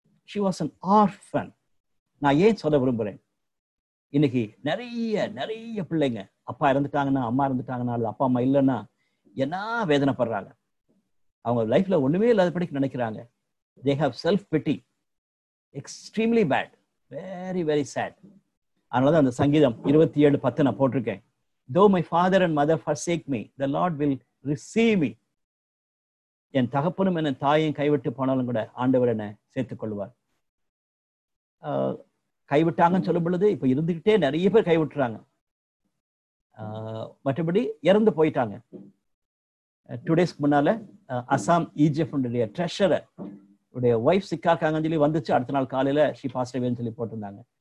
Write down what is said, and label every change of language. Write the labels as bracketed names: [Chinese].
[English] She was an orphan. [Tamil] நான் ஏன் சொல்ல விரும்புகிறேன், இன்னைக்கு நிறைய பிள்ளைங்க அப்பா இறந்துட்டாங்கன்னா, அம்மா இருந்துட்டாங்கன்னா, அல்லது அப்பா அம்மா இல்லைன்னா என்ன வேதனைப்படுறாங்க, அவங்க லைஃப்பில் ஒன்றுமே இல்லாத படிக்க நினைக்கிறாங்க. [English] They have self pity, extremely bad, very very sad. [Tamil] அதனால தான் அந்த சங்கீதம் 27:10 நான் போட்டிருக்கேன். [English] Though my father and mother forsake me, the Lord will receive me. [Tamil] என் தகப்பனும் என் தாயையும் கைவிட்டு போனாலும் கூட ஆண்டவர் என்னை சேர்த்துக் கொள்வார். கைவிட்டாங்கன்னு சொல்லும் பொழுது இப்போ இருந்துக்கிட்டே நிறைய பேர் கைவிட்டுறாங்க, மற்றபடி இறந்து போயிட்டாங்க. டுடேஸ்க்கு முன்னால் அசாம் ஈஜிப்டுடைய ட்ரெஷரர் உடைய ஒய்ஃப் சிக்காக்காங்கன்னு சொல்லி வந்துச்சு, அடுத்த நாள் காலையில் ஷீ பாஸ்டேன்னு சொல்லி போட்டிருந்தாங்க.